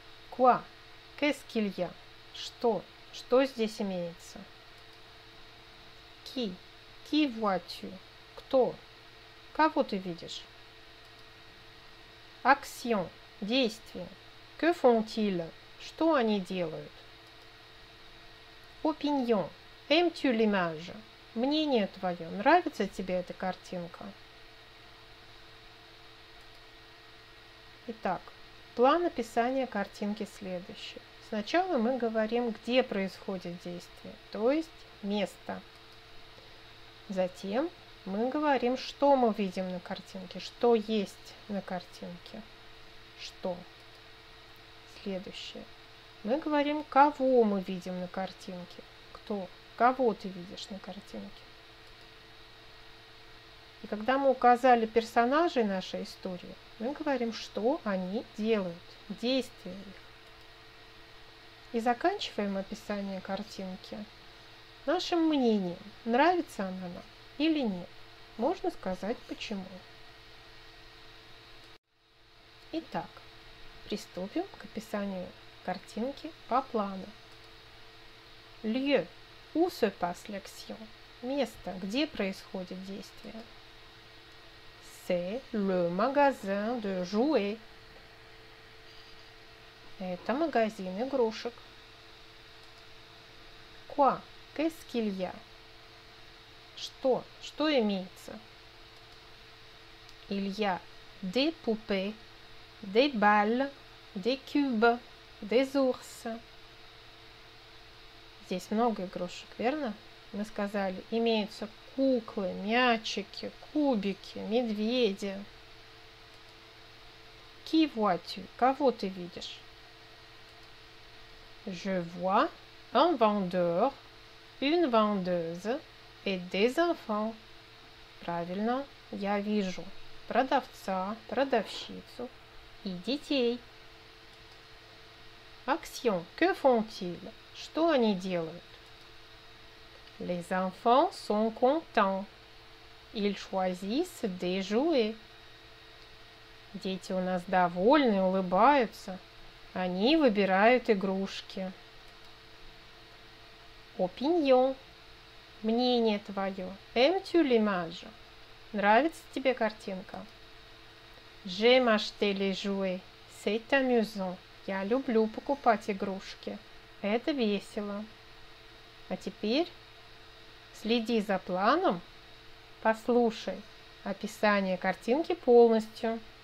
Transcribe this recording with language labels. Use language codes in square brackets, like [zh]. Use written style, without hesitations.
[fr] Quoi? Qu'est-ce qu'il y a? [ru] Что? Что здесь имеется? [fr] Qui? Qui vois-tu? [ru] Кто? Кого ты видишь? [fr] Action – [ru] действие. [fr] Que font-ils? [ru] Что они делают? [fr] Opinion – aimes-tu l'image? [ru] Мнение твое. Нравится тебе эта картинка? Итак, план описания картинки следующий. Сначала мы говорим, где происходит действие, то есть место. Затем мы говорим, что мы видим на картинке, что есть на картинке. Что? Следующее. Мы говорим, кого мы видим на картинке. Кто? Кого ты видишь на картинке? И когда мы указали персонажей нашей истории, мы говорим, что они делают, действия их. И заканчиваем описание картинки нашим мнением, нравится она нам или нет. Можно сказать, почему. Итак, приступим к описанию картинки по плану. [fr] Lieu, où se passe l'action? [ru] Место, где происходит действие. [fr] C'est le magasin de jouets. [ru] Это магазин игрушек. [fr] Quoi? Qu'est-ce qu'il y a? [ru] Что? Что имеется? [fr] Il y a des poupées, des balles, des cubes, des ours. [ru] Здесь много игрушек, верно? Мы сказали, имеются куклы, мячики, кубики, медведи. [fr] Qui vois-tu? [ru] Кого ты видишь? [fr] Je vois un vendeur, une vendeuse et des enfants. [ru] Правильно, я вижу продавца, продавщицу и детей. [fr] Action, que font-ils? [ru] Что они делают? [fr] Les enfants sont contents. Ils choisissent des jouets. [ru] Дети у нас довольны, улыбаются. Они выбирают игрушки. [fr] Opinion. [ru] Мнение твое. [fr] Aimes-tu l'image? [ru] Нравится тебе картинка? [fr] J'aime acheter les jouets. C'est amusant. [ru] Я люблю покупать игрушки. Это весело. А теперь... Следи за планом, послушай описание картинки полностью.